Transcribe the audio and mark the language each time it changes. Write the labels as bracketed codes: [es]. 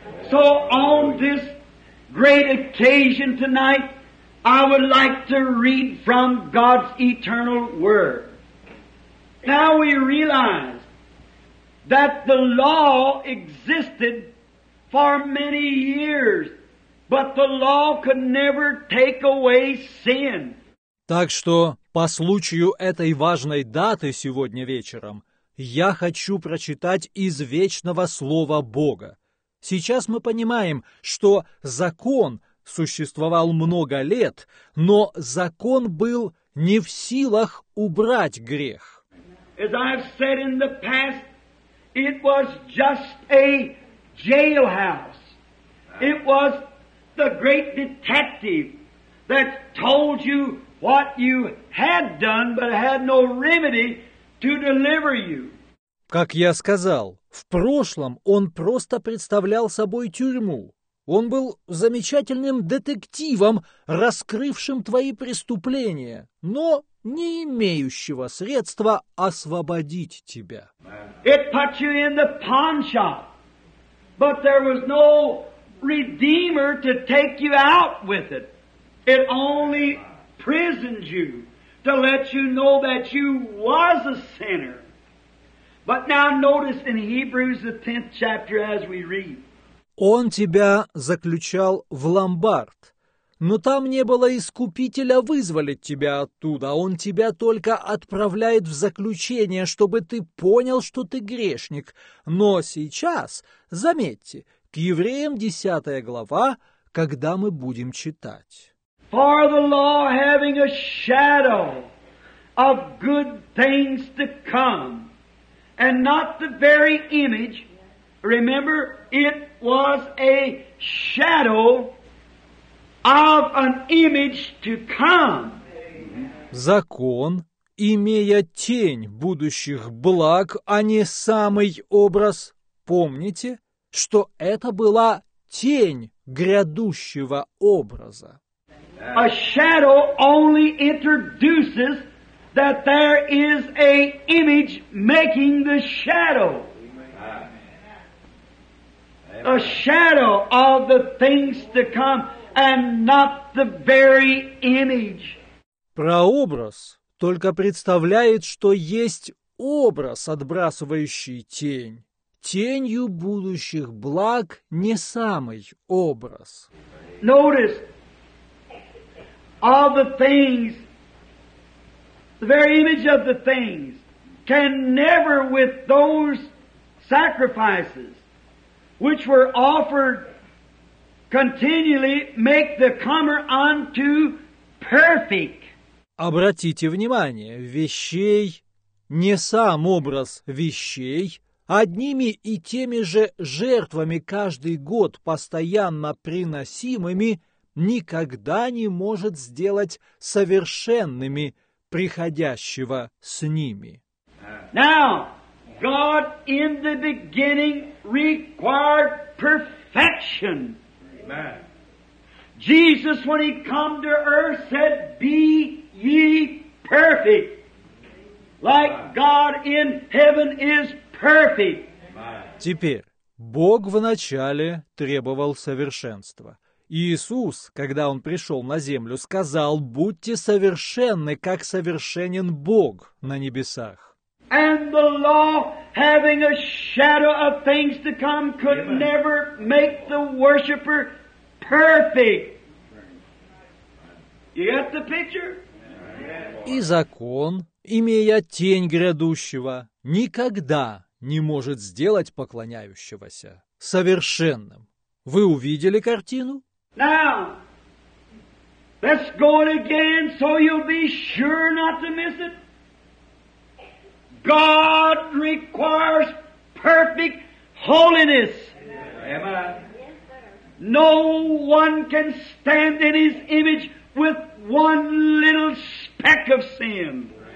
[en] So on this great occasion tonight, I would like to read from God's eternal Word. Now we realize that the law existed for many years, but the law could never take away sin. [ru] Так что По случаю этой важной даты сегодня вечером я хочу прочитать из вечного Слова Бога. Сейчас мы понимаем, что закон существовал много лет, но закон был не в силах убрать грех. [en] As I've said in the past, it was just a jailhouse. It was the great detective that told you what you had done, but had no remedy to deliver you. [ru] Как я сказал, в прошлом он просто представлял собой тюрьму. Он был замечательным детективом, раскрывшим твои преступления, но не имеющего средства освободить тебя. [en] It put you in the pawn shop, but there was no redeemer to take you out with it. It only prisoned you to let you know that you was a sinner. But now notice in Hebrews the 10th chapter as we read. [ru] Он тебя заключал в ломбард, но там не было искупителя вызволить тебя оттуда. Он тебя только отправляет в заключение, чтобы ты понял, что ты грешник. Но сейчас, заметьте, к евреям 10 глава, когда мы будем читать. [en] For the law having a shadow of good things to come, and not the very image. Remember, it was a shadow of an image to come. [ru] Закон, имея тень будущих благ, а не самый образ, помните, что это была тень грядущего образа. [en] A shadow only introduces that there is a image making the shadow. A shadow of the things to come, and not the very image. [ru] Прообраз только представляет, что есть образ, отбрасывающий тень. Тенью будущих благ не самый образ. [en] Notice all the things, the very image of the things, can never with those sacrifices which were offered continually make the comer unto perfect. [ru] Обратите внимание, вещей не сам образ вещей, одними и теми же жертвами каждый год постоянно приносимыми никогда не может сделать совершенными приходящего с ними. [en] Now, God in the beginning required perfection. Amen. Jesus, when he came to earth, said, "Be ye perfect, like God in heaven is perfect." [ru] Теперь Бог вначале требовал совершенства. Иисус, когда Он пришел на землю, сказал, "Будьте совершенны, как совершенен Бог на небесах." [en] And the law, having a shadow of things to come, could Amen. Never make the worshiper perfect. You get the picture? [ru] И закон, имея тень грядущего, никогда не может сделать поклоняющегося совершенным. Вы увидели картину? [en] Now, let's go it again, so you'll be sure not to miss it. God requires perfect holiness. Amen. No one can stand in His image with one little speck of sin.